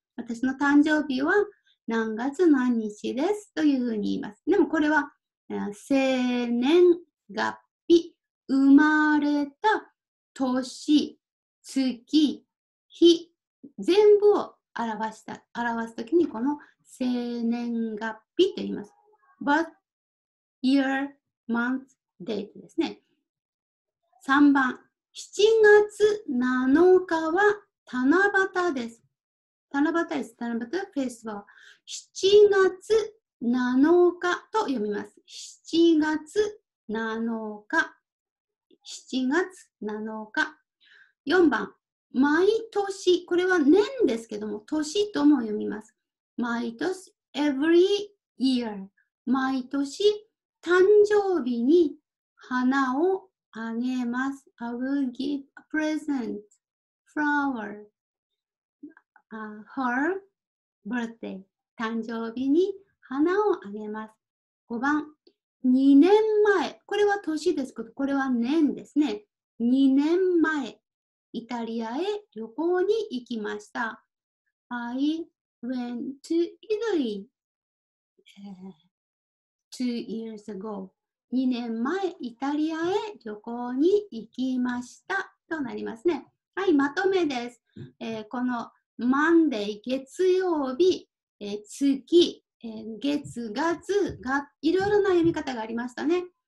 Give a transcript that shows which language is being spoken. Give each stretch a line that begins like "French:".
Japanese: 私の誕生日は何月何日ですというふうに言います。でもこれは生年月日、生まれた年、月、日、全部を表すときにこの生年月日と言います。
English: Birth, year, month, date ですね。
Japanese: 3番、7月7日は七夕です。七夕です。七夕フェスは7月7日と読みます。 7月7日。7月7日。 4番、毎年、これは年ですけども、年とも読みます。毎年、
English: every year、
Japanese: 毎年、誕生日に花をあげます。
English: I will give a present, flower, her birthday,
Japanese: 誕生日に花をあげます。 5番、2年前、これは年ですけど、これは年ですね。 2年前、イタリアへ旅行に行きました。
English: I went to Italy two years ago.
Japanese: 2年前、イタリアへ旅行に行きました。となりますね。はい、まとめです。このマンデー、月曜日、月、月、月が、いろいろな読み方がありましたね。